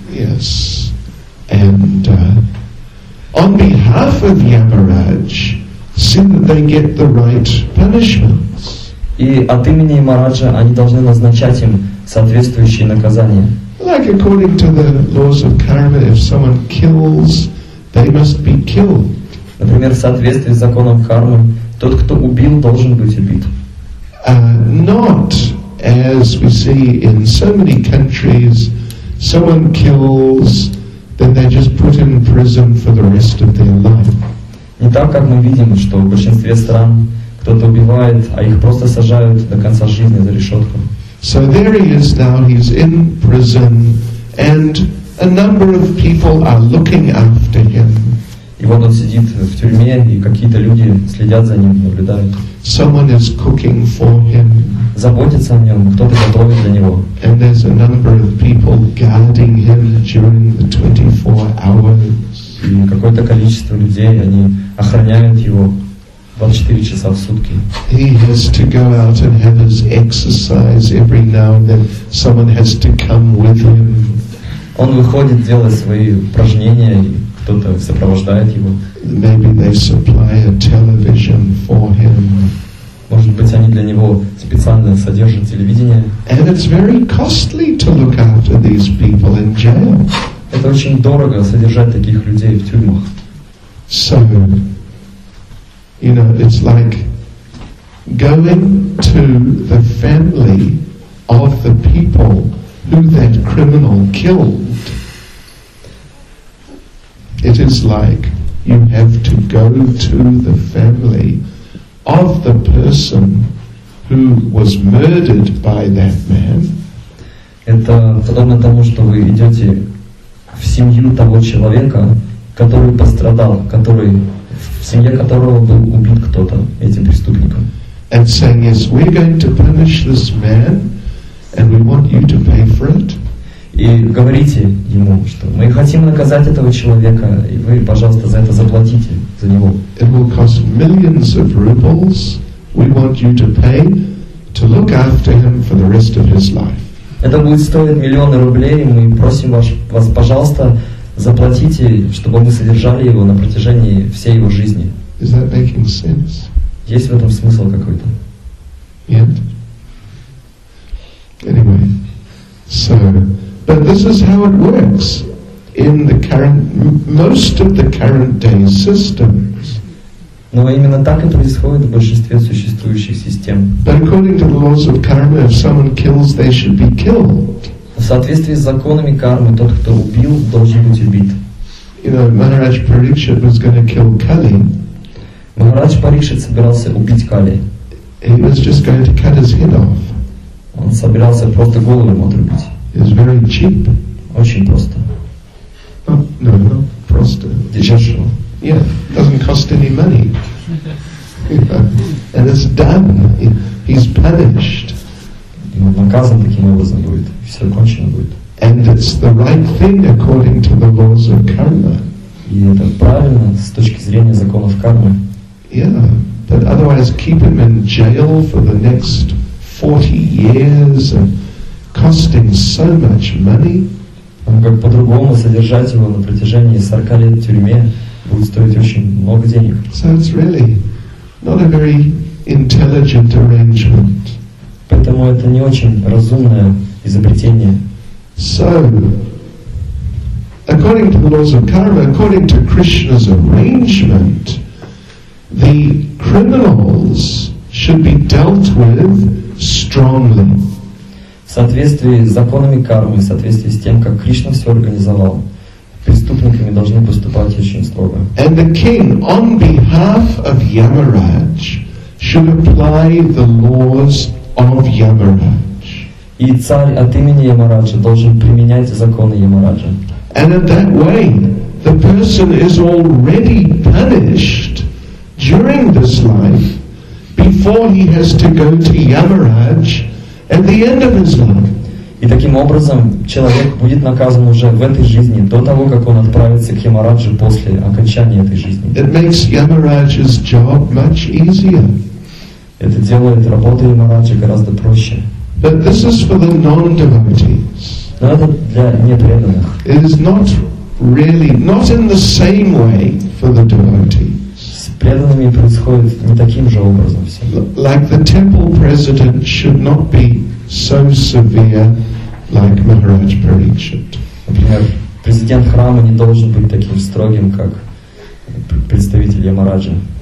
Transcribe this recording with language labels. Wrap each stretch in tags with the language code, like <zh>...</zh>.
<en>Yes. And on behalf of Yamaraj, sin they get the right punishments.</en> <ru>И от имени Ямараджа они должны назначать им соответствующие наказания.</ru> <en>Like according to the laws of karma, if someone kills, they must be killed.</en> <ru>Например, в соответствии с законом кармы, тот, кто убил, должен быть убит.</ru> <en>Not as we see in so many countries, someone kills, then they just put in prison for the rest of their life.</en> <ru>Не так, как мы видим, что в большинстве стран кто-то убивает, а их просто сажают до конца жизни за решетку.</ru> <en>So there he is now, he's in prison, and a number of people are looking after him.</en> <ru>И вот он сидит в тюрьме, и какие-то люди следят за ним, наблюдают.</ru> <en>Someone is cooking for him.</en> <ru>Заботится о нем, кто-то готовит для него.</ru> <en>And there's a number of people guarding him during the 24 hours.</en> <ru>И какое-то количество людей, они охраняют его 24 часа в сутки.</ru> <en>He has to go out and have his exercise every now and then. Someone has to come with him.</en> <ru>Он выходит делать свои упражнения, и кто-то сопровождает его.</ru> <en>Maybe they supply a television for him.</en> <ru>Может быть, они для него специально содержат телевидение.</ru> <en>And it's very costly to look after these people in jail.</en> <ru>Это очень дорого содержать таких людей в тюрьмах.</ru> <en>So, you know, it's like going to the family of the people who that criminal killed. It is like you have to go to the family of the person who was murdered by that man.</en> <ru>Это подобно тому, что вы идете в семью того человека, который пострадал, который в семье которого был убит кто-то этим преступником.</ru> <en>And saying, yes, we're going to punish this man, and we want you to pay for it.</en> <ru>И говорите ему, что мы хотим наказать этого человека, и вы, пожалуйста, за это заплатите за него.</ru> <en>It will cost millions of rubles. We want you to pay to look after him for the rest of his life.</en> <ru>Это будет стоить миллионы рублей, мы просим вас, пожалуйста, заплатите, чтобы мы содержали его на протяжении всей его жизни.</ru> <en>Is that making sense?</en> <ru>Есть в этом смысл какой-то? Нет.</ru> <en>Anyway, so, but this is how it works in the current, most of the current day systems.</en> <ru>Но именно так и происходит в большинстве существующих систем.</ru> <en>But according to the laws of karma, if someone kills, they should be killed.</en> <ru>В соответствии с законами кармы, тот, кто убил, должен быть убит.</ru> <en>You know, Maharaj Parikshit was going to kill Kali.</en> <ru>Махарадж Парикшит собирался убить Кали.</ru> <en>He was just going to cut his head off.</en> <ru>Он собирался просто голову ему отрубить.</ru> <en>It's very cheap.</en> <ru>Очень просто.</ru> <en>Not</en> <ru>просто. Дешево.</ru> <en>Yeah, doesn't cost any money. And it's done. He's punished.</en> <ru>Ему наказан таким образом будет. Все кончено будет.</ru> <en>And it's the right thing according to the laws of karma.</en> <ru>И это правильно с точки зрения законов кармы.</ru> <en>Yeah, but otherwise keep him in jail for the next 40 years and costing so much money.</en> <ru>Он как по-другому содержать его на протяжении 40 лет в тюрьме будет стоить очень много денег.</ru> <en>So it's really not a very intelligent arrangement.</en> <ru>Поэтому это не очень разумное изобретение.</ru> <en>So, according to the laws of karma, according to Krishna's arrangement, the criminals should be dealt with strongly.</en> <ru>В соответствии с законами кармы, в соответствии с тем, как Кришна все организовал, преступниками должны поступать очень строго.</ru> <en>And the king, on behalf of Yamaraj, should apply the laws of Yamaraj.</en> <ru>И царь от имени Ямараджа должен применять законы Ямараджа.</ru> <en>And in that way, the person is already punished during this life, before he has to go to Yamaraj at the end of his life.</en> <ru>И таким образом человек будет наказан уже в этой жизни до того, как он отправится к Ямараджу после окончания этой жизни.</ru> <en>It makes Yamaraj's job much easier.</en> <ru>Это делает работу Ямараджа гораздо проще.</ru> <en>But this is for the non-devotees.</en> <ru>Но это для непреданных.</ru> <en>It is not really, not in the same way for the devotees.</en> <ru>Преданными происходит не таким же образом всем.</ru> <en>Like the temple president should not be so severe like Maharaj Parikshit.</en> <ru>Например, президент храма не должен быть таким строгим, как представитель Ямараджа.</ru>